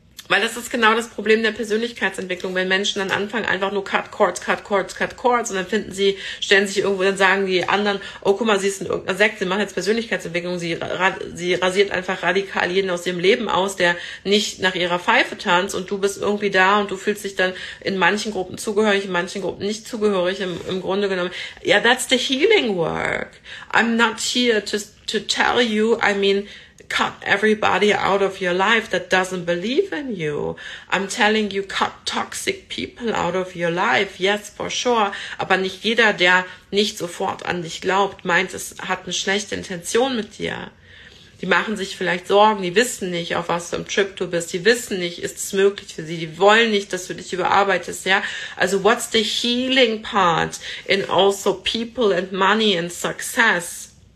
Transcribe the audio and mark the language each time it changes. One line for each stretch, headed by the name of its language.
German: Weil das ist genau das Problem der Persönlichkeitsentwicklung, wenn Menschen dann anfangen, einfach nur cut cords, und dann finden sie, stellen sich irgendwo, dann sagen die anderen, oh, guck mal, sie ist in irgendeiner Sekte, sie macht jetzt Persönlichkeitsentwicklung, sie rasiert einfach radikal jeden aus ihrem Leben aus, der nicht nach ihrer Pfeife tanzt, und du bist irgendwie da, und du fühlst dich dann in manchen Gruppen zugehörig, in manchen Gruppen nicht zugehörig, im Grunde genommen.
English: Ja, yeah, that's the healing work. I'm not here to tell you, I mean, cut everybody out of your life that doesn't believe in you. I'm telling you, cut toxic people out of your life. Yes, for sure.
German: Aber nicht jeder, der nicht sofort an dich glaubt, meint, es hat eine schlechte Intention mit dir. Die machen sich vielleicht Sorgen, die wissen nicht, auf was du im Trip du bist, die wissen nicht, ist es möglich für sie, die wollen nicht, dass du dich überarbeitest, ja.
English: Also, what's the healing part in also people and money and success?